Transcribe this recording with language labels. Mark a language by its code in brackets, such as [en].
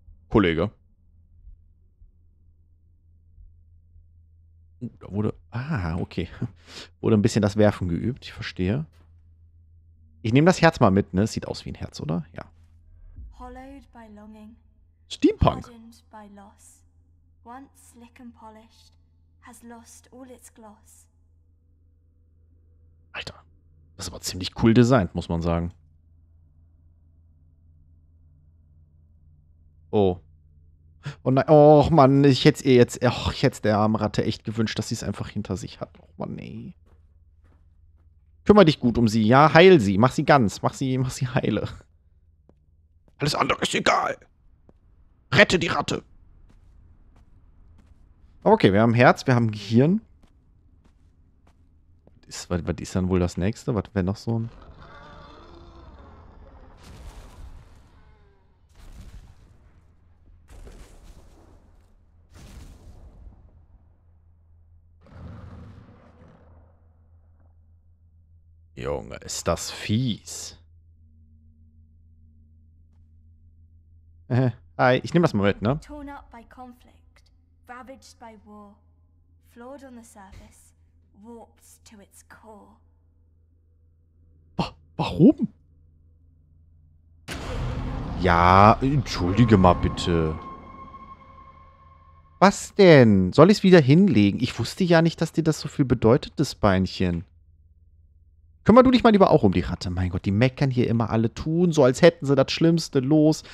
[de] Kollege. Da wurde... okay. Wurde ein bisschen das Werfen geübt, ich verstehe. Ich nehme das Herz mal mit, ne? Sieht aus wie ein Herz, oder? Ja. [en] Hollowed by longing. [de] Steampunk. [en] Hardened by loss. Once slick and polished, has lost all its gloss. [de] Alter, das ist aber ziemlich cool designt, muss man sagen. Oh. Oh nein, oh Mann, ich hätte der armen Ratte echt gewünscht, dass sie es einfach hinter sich hat. Oh Mann, nee. Kümmer dich gut um sie, ja, heil sie, mach sie ganz, mach sie heile. Alles andere ist egal. Rette die Ratte. Okay, wir haben Herz, wir haben Gehirn. Was ist dann wohl das Nächste? Was wäre noch so ein... Junge, ist das fies. Hi, ich nehme das mal mit, ne? [en] Torn up by conflict, ravaged by war, flawed on the surface, warped to its core. [de] Warum? Ja, entschuldige mal bitte. Was denn? Soll ich es wieder hinlegen? Ich wusste ja nicht, dass dir das so viel bedeutet, das Beinchen. Kümmer du dich mal lieber auch um die Ratte. Mein Gott, die meckern hier immer alle, tun so, als hätten sie das Schlimmste los.